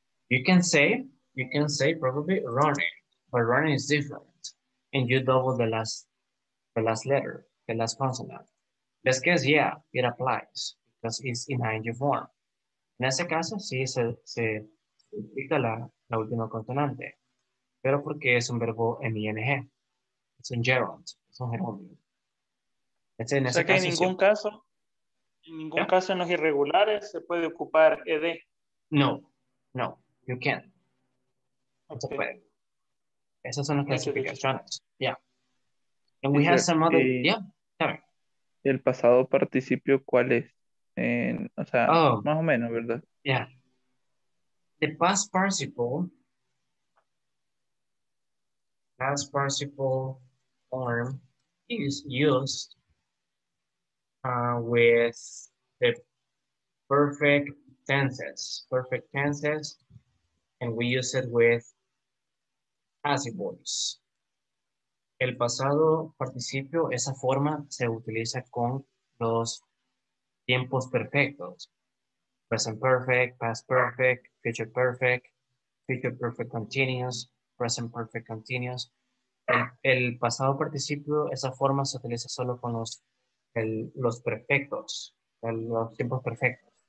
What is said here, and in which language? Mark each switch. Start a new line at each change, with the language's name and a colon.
English: You can say probably running, but running is different. And you double the last letter, the last consonant. Let's guess, yeah, it applies because it's in ing form.
Spanish: En ese caso, sí, se significa la última consonante, pero porque es un verbo en ing, es un gerund, es un gerundio. En ningún caso en los irregulares se puede ocupar ed.
English: No, you can.
Spanish: No se puede. Esas son las clasificaciones.
English: Yeah. And we have some other. Yeah.
Spanish: el pasado participio, ¿cuál es? En, o sea, oh, más o menos, ¿verdad?
English: Yeah. The past participle. Past participle form is used with the perfect tenses, and we use it with passive voice.
Spanish: El pasado participio, esa forma se utiliza con los tiempos perfectos.
English: Present perfect, past perfect, future perfect continuous, present perfect continuous.
Spanish: El pasado participio, esa forma se utiliza solo con los perfectos, los tiempos perfectos.